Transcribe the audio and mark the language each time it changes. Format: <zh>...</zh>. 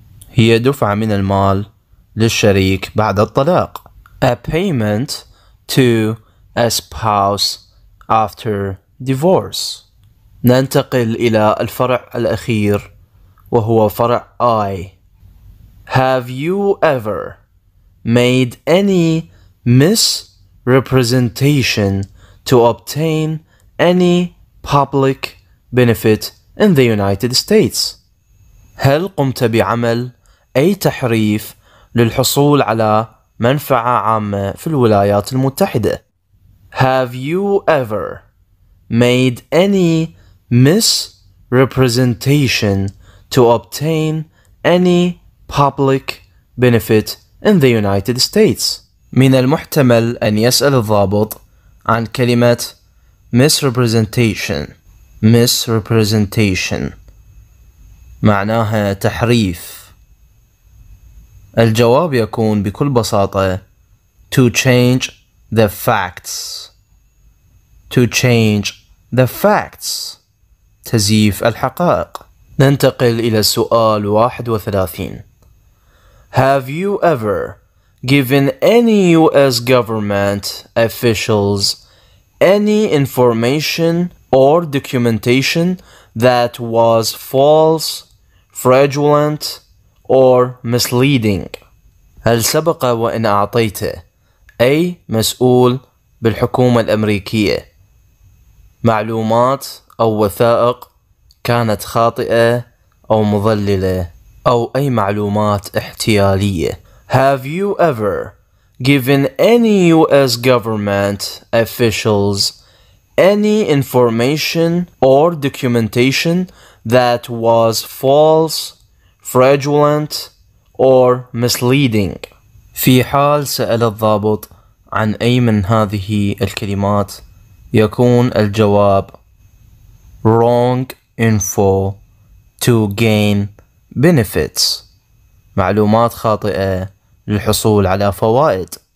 <ar>هي دفع من المال للشريك بعد الطلاق.</ar> <en>A payment to a spouse after divorce.</en> <ar>ننتقل إلى الفرع الأخير وهو فرع I.</ar> <en>Have you ever made any misrepresentation to obtain any public benefit in the United States?</en> <ar>هل قمت بعمل أي تحريف للحصول على منفعة عامة في الولايات المتحدة؟</ar> <en>Have you ever made any misrepresentation representation to obtain any public benefit in the United States.</en> <ar>من المحتمل أن يسأل الضابط عن كلمة misrepresentation. Misrepresentation معناها تحريف. الجواب يكون بكل بساطة</ar> <en>to change the facts. To change the facts.</en> <ar>تزييف الحقائق. ننتقل إلى السؤال 31.</ar> <en>Have you ever given any US government officials any information or documentation that was false, fraudulent, or misleading?</en> <ar>هل سبق وإن أعطيت أي مسؤول بالحكومة الأمريكية معلومات أو وثائق كانت خاطئة أو مضللة أو أي معلومات احتيالية؟</ar> <en>Have you ever given any US government officials any information or documentation that was false, fraudulent, or misleading?</en> <ar>في حال سأل الضابط عن أي من هذه الكلمات يكون الجواب</ar> <en>wrong info to gain benefits.</en> <ar>معلومات خاطئة للحصول على فوائد.</ar>